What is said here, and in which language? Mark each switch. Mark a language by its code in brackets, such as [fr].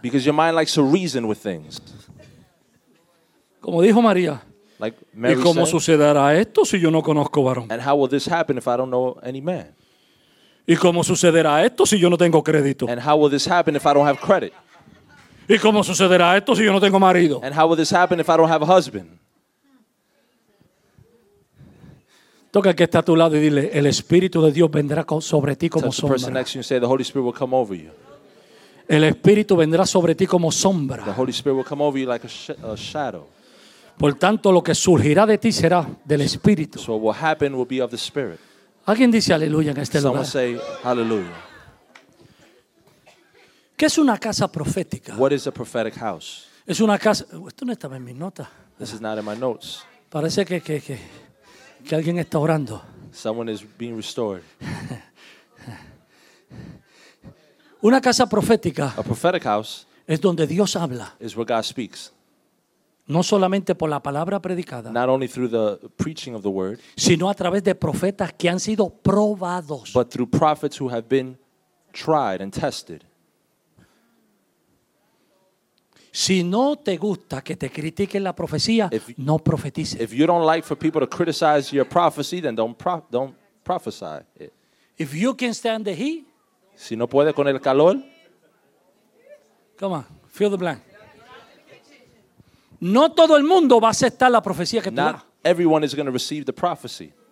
[en] Because your mind likes to reason with things. [es] Como dijo María. [en] Like Mary [es] said. ¿Y cómo [en] said, [es] sucederá esto si yo no conozco varón? [en] And how will this happen if I don't know any man? [es] ¿Y cómo sucederá esto si yo no tengo crédito? [en] And how will this happen if I don't have credit? [es] ¿Y cómo sucederá esto si yo no tengo marido? [en] And how will this happen if I don't have a husband? [es] Toca que está a tu lado y dile, el Espíritu de Dios vendrá sobre ti como sombra. [en] Touch the person next to you and say, the Holy Spirit will come over you. [es] El Espíritu vendrá sobre ti como sombra. [en] The Holy Spirit will come over you like a shadow. [es] Por tanto, lo que surgirá de ti será del Espíritu. [en] So what happened will be of the Spirit. [es] ¿Alguien dice aleluya en este [en] Someone [es] lugar? [en] Say hallelujah. [es] ¿Qué es una casa profética? [en] What is a prophetic house? [es] Es una casa... Esto no estaba en mis notas. [en] This is not in my notes. [es] Parece que alguien está orando. [en] Someone is being restored. [es] Una casa profética. [en] A prophetic house. [es] Es donde Dios habla. [en] Is where God speaks. [es] No solamente por la palabra predicada. [en] Not only through the preaching of the word. [es] Sino a través de profetas que han sido probados. [en] But through prophets who have been tried and tested. [es] Si no te gusta que te critiquen la profecía, no profetices. [en] If you don't like for people to criticize your prophecy, then don't prophesy it. If you can stand the heat, [es] si no puede con el calor, [en] come on, fill the blank. [es] No todo el mundo va a aceptar la profecía que tú das. [en] Not everyone is going to receive the prophecy.